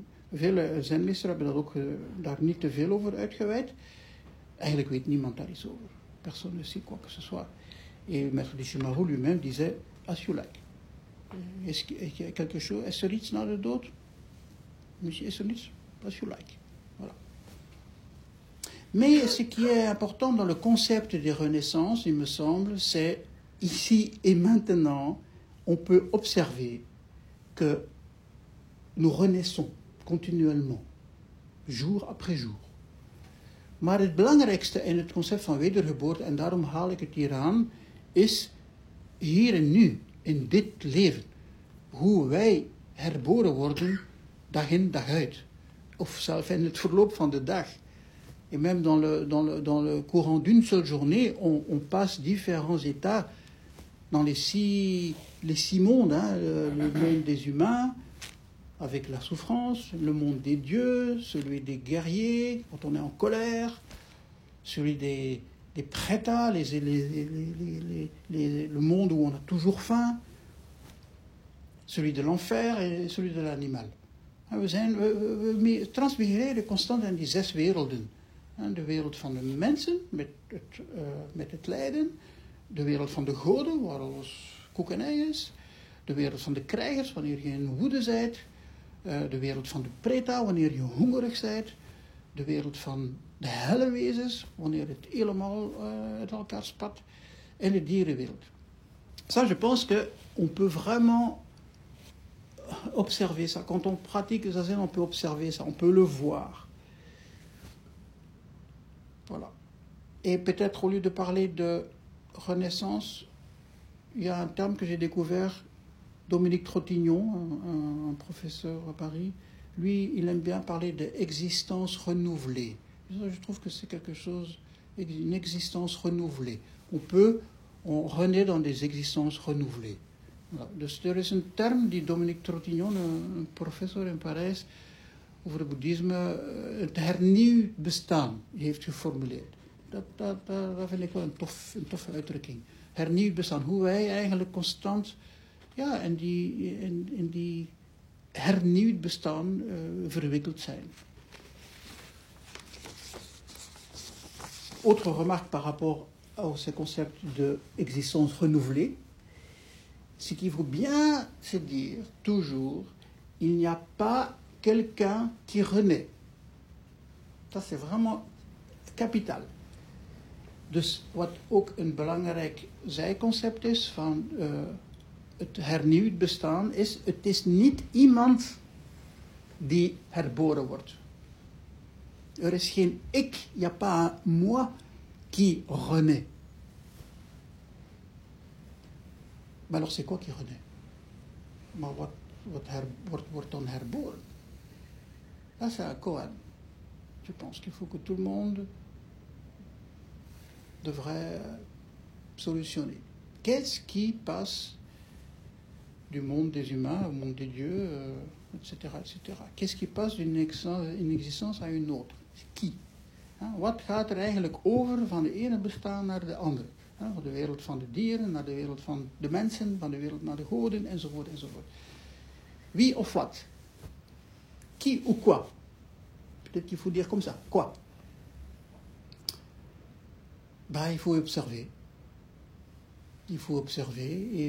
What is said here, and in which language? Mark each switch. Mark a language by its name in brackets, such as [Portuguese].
[Dutch] Veel zenmeesters hebben dat ook daar niet te veel over uitgeweid. Eigenlijk weet niemand daar iets over. [French] Personne ne sait quoi que ce soit. Et le maître Deshimaru lui-même disait « [English] as you like ». [Dutch] Is er iets na de dood? Is er iets? [English] As you like. [Dutch] Voilà. [French] Mais ce qui est important dans le concept des renaissances, il me semble, c'est ici et maintenant, on peut observer que nous renaissons continuellement, jour après jour. [Dutch] Maar het belangrijkste in het concept van wedergeboorte, en daarom haal ik het hier aan, is hier en nu, in dit leven. Hoe wij herboren worden, dag in dag uit. Of zelfs in het verloop van de dag. [French] En même dans le courant d'une seule journée, on passe différents états dans les six mondes. Hein, le monde des humains, avec la souffrance, le monde des dieux, celui des guerriers, quand on est en colère, celui des prêtas, le monde où on a toujours faim. Celui de l'enfer et celui de l'animal. [Dutch] We transmigreren constant in die zes werelden. De wereld van de mensen met het lijden. De wereld van de goden, waar alles koek en ei is. De wereld van de krijgers, wanneer je in woede bent. De wereld van de preta, wanneer je hongerig bent. De wereld van de helle wezens, wanneer het helemaal uit elkaar spat. En de dierenwereld. [French] Ça, je pense que on peut vraiment... observer ça. Quand on pratique le zazen, on peut observer ça, on peut le voir. Voilà. Et peut-être au lieu de parler de renaissance, il y a un terme que j'ai découvert, Dominique Trottignon, un professeur à Paris, lui, il aime bien parler d'existence renouvelée. Je trouve que c'est quelque chose, une existence renouvelée. On renaît dans des existences renouvelées. Voilà. [Dutch] Dus er is een term die Dominique Trottignon, een professor in Parijs, over het boeddhisme, het hernieuwd bestaan, heeft geformuleerd. dat vind ik wel een toffe uitdrukking. Hernieuwd bestaan, hoe wij eigenlijk constant ja, in die hernieuwd bestaan verwikkeld zijn. [French] Autre remarque par rapport au ce concept de existence renouvelée, c'est qu'il faut bien se dire toujours, il n'y a pas quelqu'un qui renaît. Ça, c'est vraiment capital. [Dutch] Dus wat ook een belangrijk zijconcept is van het hernieuwd bestaan, is het is niet iemand die herboren wordt. Er is geen ik, [French] il n'y a pas un moi qui renaît. [Dutch] Maar [French] alors c'est quoi qui renaît? [Dutch] Maar wat wordt dan herboren? [French] Là, c'est un koan. Je pense qu'il faut que tout le monde devrait solutionner. Qu'est-ce qui passe du monde des humains au monde des dieux, etc., etc. Qu'est-ce qui passe d'une existence à une autre? Qui? [Dutch] Wat gaat er eigenlijk over van de ene bestaan naar de andere? Van de wereld van de dieren, naar de wereld van de mensen, van de wereld naar de goden, enzovoort, enzovoort. Wie of wat? [French] Qui ou quoi? Peut-être qu'il faut dire comme ça. Quoi? Ben, il faut observer. Il faut observer.